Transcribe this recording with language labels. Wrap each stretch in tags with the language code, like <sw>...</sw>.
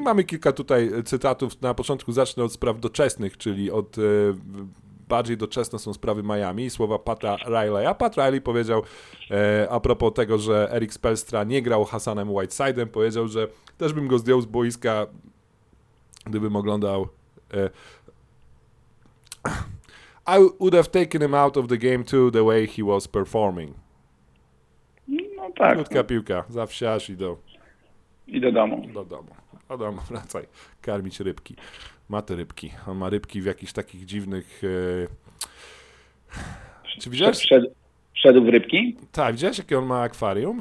<pl>Mamy kilka tutaj cytatów. Na początku zacznę od spraw doczesnych, czyli od... Bardziej doczesne są sprawy Miami i słowa Pata Riley. A Pat Riley powiedział, a propos tego, że Eric Spoelstra nie grał Hassanem Whitesidem, powiedział, że też bym go zdjął z boiska, gdybym oglądał...</pl> <en>I would have taken him out of the game too, the way he was performing.</en> <pl>No tak. Krótka piłka, zawsze aż i do... I do domu. Do domu. Do domu, wracaj. Karmić rybki. Ma te rybki. On ma rybki w jakichś takich dziwnych... Czy widziałeś? Wszedł w rybki? Tak, widziałeś, jakie on ma akwarium?</pl>